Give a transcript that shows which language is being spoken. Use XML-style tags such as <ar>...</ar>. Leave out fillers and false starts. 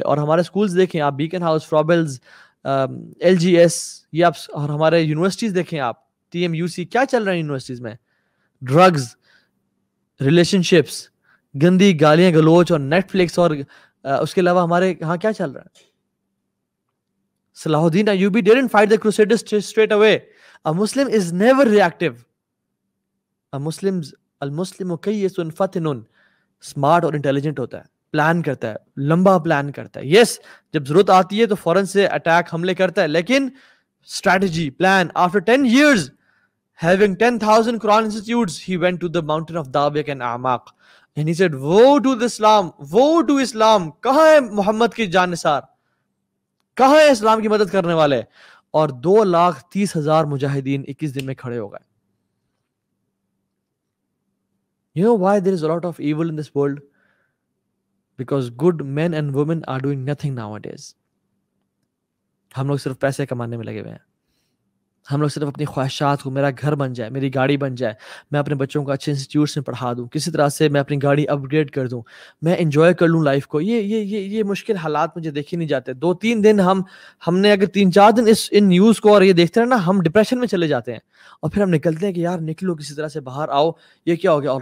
<ur>اور ہمارے اسکولس دیکھیں آپ, bacon house, فرابلز, L جی S, یہ آپ, اور ہمارے یونیورسٹیز دیکھیں آپ, ٹی ایم یو سی, کیا چل رہا ہے یونیورسٹیز میں؟ ڈرگز, ریلیشن شپس, گندی گالیاں گلوچ اور نیٹ فلکس, اور اس کے علاوہ ہمارے ہاں کیا چل رہا ہے؟</ur> <en>Salahuddin Ayyubi didn't fight the crusaders straight away. A Muslim is never reactive.</en> <ar>المسلم کئیس فتنن,</ar> <ur>اسمارٹ اور انٹیلیجنٹ ہوتا ہے, پلان کرتا ہے, لمبا پلان کرتا ہے. یس, جب ضرورت آتی ہے تو فوراً سے اٹیک حملے کرتا ہے, لیکن strategy plan.</ur> <en>after 10 years having 10,000 Quran institutes, he went to the mountain of Dabiq and Amaq, and he said woe to the Islam, woe to Islam,</en> <ur>کہاں ہے محمد کی جان نثار, کہاں ہے اسلام کی مدد کرنے والے. اور 230,000 مجاہدین 21 دن میں کھڑے ہو گئے.</ur> <en>You know why there is a lot of evil in this world? Because good men and women are doing nothing nowadays.</en> <ur>ہم لوگ صرف پیسے کمانے میں لگے ہوئے ہیں, ہم لوگ صرف اپنی خواہشات کو, میرا گھر بن جائے, میری گاڑی بن جائے, میں اپنے بچوں کو اچھے انسٹیٹیوٹس میں پڑھا دوں, کسی طرح سے میں اپنی گاڑی اپ گریڈ کر دوں, میں انجوائے کر لوں لائف کو. یہ مشکل حالات مجھے دیکھے نہیں جاتے. 2-3 دن ہم نے اگر 3-4 دن ان نیوز کو اور یہ دیکھتے رہے نا, ہم ڈپریشن میں چلے جاتے ہیں, اور پھر ہم نکلتے ہیں کہ یار نکلو, کسی طرح سے باہر آؤ, یہ کیا ہو گیا.</ur>